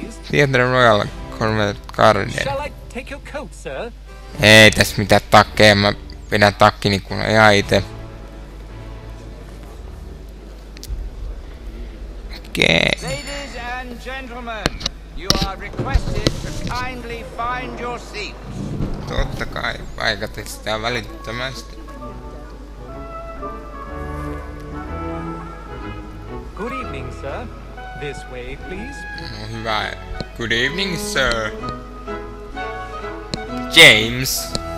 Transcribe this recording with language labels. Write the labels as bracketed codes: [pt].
[en] Theatre Royal Convent Garden. [fi] Ei tässä mitään takkeja, mä pidän takkini kun ihan itse. [en] Ladies and gentlemen, you are requested to kindly find your seats. [fi] Totta kai, paikatit sitä välittömästi. [en] Good evening, sir. This way, please. [fi] No hyvä. [en] Good evening, sir. James.